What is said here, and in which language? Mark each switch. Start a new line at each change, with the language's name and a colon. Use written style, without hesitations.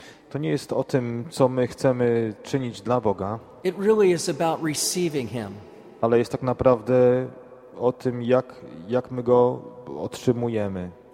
Polish: To nie jest o tym, co my chcemy czynić dla Boga.
English: It really is about receiving Him.
Polish: Ale jest tak naprawdę o tym, jak my go otrzymujemy.